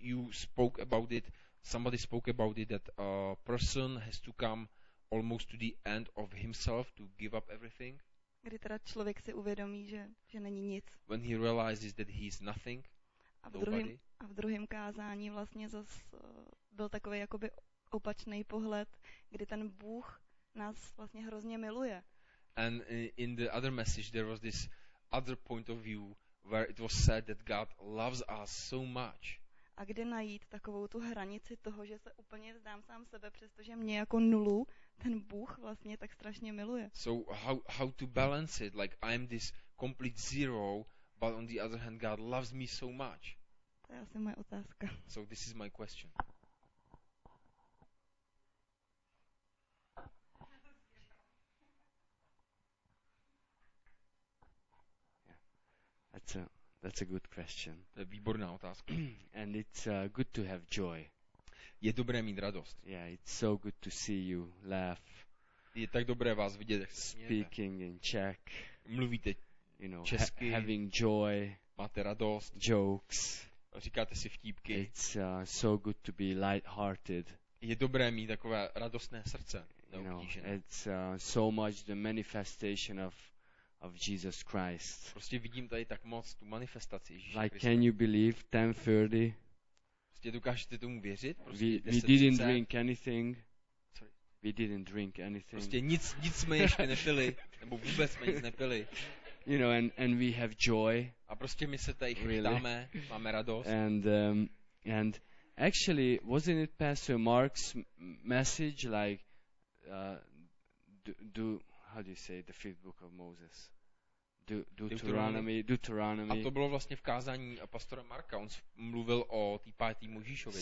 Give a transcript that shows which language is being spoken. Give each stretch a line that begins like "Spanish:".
English: You spoke about it, somebody spoke about it, that a person has to come almost to the end of himself to give up everything.
Czech: Kdy teda člověk si uvědomí, že není nic.
English: When he realizes that he is nothing.
Czech: A v druhém kázání vlastně zase byl takový jakoby opačný pohled, kdy ten Bůh nás vlastně hrozně miluje.
English: And in the other message there was this other point of view where it was said that God loves us so much.
Czech: A kde najít takovou tu hranici toho, že se úplně vzdám sám sebe, přestože mě jako nulu ten Bůh vlastně tak strašně miluje.
English: So how to balance it, like I'm this complete zero. But on the other hand, God loves me so much.
Czech: To je asi moje otázka.
English: So this is my question. That's a good question.
Czech: To je výborná otázka.
English: And it's good to have joy.
Czech: Je dobré mít radost.
English: Yeah, it's so good to see you laugh.
Czech: Je tak dobré vás vidět.
English: Speaking in Czech.
Czech: Mluvíte.
English: You know,
Czech: česky,
English: having joy,
Czech: máte radost,
English: jokes,
Czech: říkáte si vtípky.
English: It's so good to be light-hearted.
Czech: Je dobré mít takové radostné srdce.
English: You know, it's so much the manifestation of Jesus Christ.
Czech: Prostě vidím tady tak moc tu manifestaci Ježíše
English: Krista. Like, can you believe 10:30?
Czech: dokážete tomu věřit? Prostě
English: we didn't drink anything. Sorry. We didn't drink anything.
Czech: Prostě nic jsme ještě nepili, nebo vůbec jsme nic nepili.
English: You know, and we have joy.
Czech: A prostě my se tady chytáme, máme radost.
English: And actually, wasn't it Pastor Mark's message like do how do you say the fifth book of Moses? Deuteronomy.
Czech: A to bylo vlastně v kázání pastora Marka. On mluvil o té páté Mojžíšově.